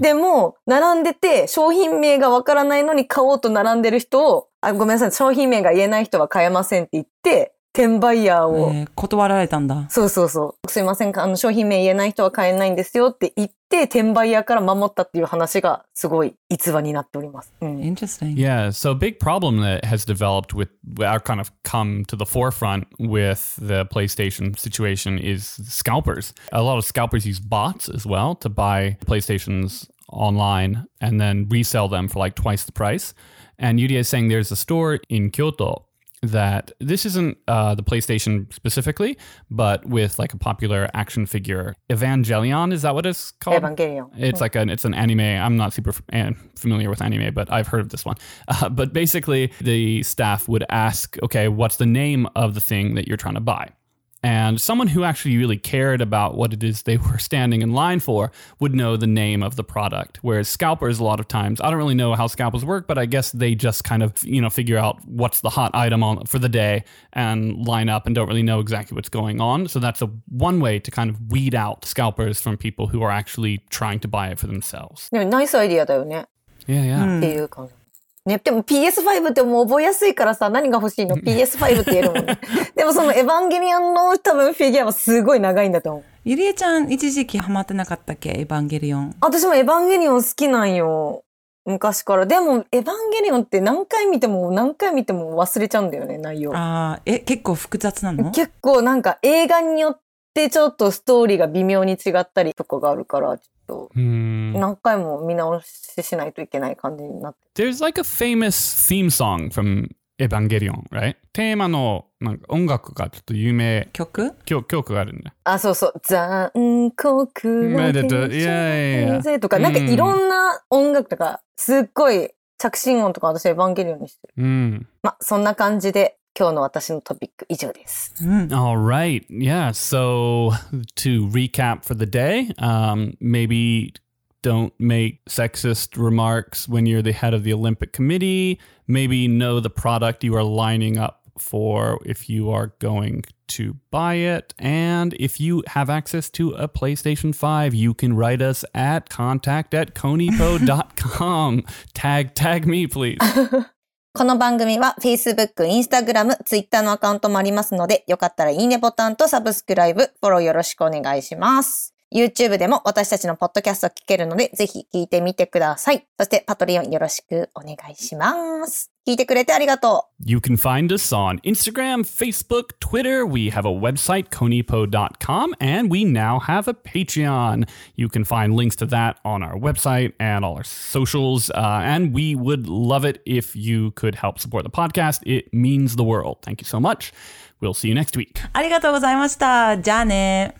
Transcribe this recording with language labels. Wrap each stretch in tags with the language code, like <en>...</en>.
<ja>でも並んでて商品名がわからないのに買おうと並んでる人を、あ、ごめんなさい、商品名が言えない人は買えませんって言って転売ヤーを、断られたんだ。そうそうそう、すいません、あの商品名言えない人は買えないんですよって言って、転売ヤーから守ったっていう話がすごい逸話になっております。うん、</ja> <en>Interesting. Yeah, so a big problem that has developed with our kind of come to the forefront with the PlayStation situation is scalpers. A lot of scalpers use bots as well to buy PlayStations online and then resell them for like twice the price. And Yuri is saying there's a store in Kyoto that this isn't the PlayStation specifically, but with like a popular action figure. Evangelion, is that what it's called? Evangelion. It's like it's an anime. I'm not super familiar with anime, but I've heard of this one. But basically the staff would ask, okay, what's the name of the thing that you're trying to buy? And someone who actually really cared about what it is they were standing in line for would know the name of the product. Whereas scalpers, a lot of times, I don't really know how scalpers work, but I guess they just kind of, you know, figure out what's the hot item on for the day and line up and don't really know exactly what's going on. So that's a one way to kind of weed out scalpers from people who are actually trying to buy it for themselves. Nice idea, though, yeah. Yeah, yeah. Mm.</en> <ja>ね、でも PS5 ってもう覚えやすいからさ、何が欲しいの PS5 って言えるもんね。でもそのエヴァンゲリオンの多分フィギュアはすごい長いんだと思う。ゆりえちゃん一時期ハマってなかったっけ、エヴァンゲリオン。私もエヴァンゲリオン好きなんよ、昔から。でもエヴァンゲリオンって何回見ても何回見ても忘れちゃうんだよね、内容。ああ、結構複雑なの？結構なんか映画によってちょっとストーリーが微妙に違ったりとかがあるから、何回も見直ししないといけない感じになって。</ja> <en>There's like a famous theme song from Evangelion, right?</en> <ja>テーマのなんか音楽がちょっと有名。曲があるんだ。あ、そうそう。残酷な天使とか、 yeah. なんかいろんな音楽とか、すっごい着信音とか私Evangelionにしてる。まあそんな感じで。今日の私のトピック以上です。</ja> <en>All right. Yeah. So to recap for the day, maybe don't make sexist remarks when you're the head of the Olympic committee. Maybe know the product you are lining up for if you are going to buy it. And if you have access to a PlayStation 5, you can write us at contact@konnichiwa.com. Tag me, please.</en> <ja>この番組は Facebook、Instagram、Twitter のアカウントもありますので、よかったらいいねボタンとサブスクライブ、フォローよろしくお願いします。 YouTube でも私たちのポッドキャストを聞けるので、ぜひ聞いてみてください。そしてパトリオンよろしくお願いします。聞いてくれてありがとう。</ja> <en>You can find us on Instagram, Facebook, Twitter. We have a website, konnichiwa.com, and we now have a Patreon. You can find links to that on our website and all our socials. And we would love it if you could help support the podcast. It means the world. Thank you so much. We'll see you next week.</en> <ja>ありがとうございました。じゃあね。</ja>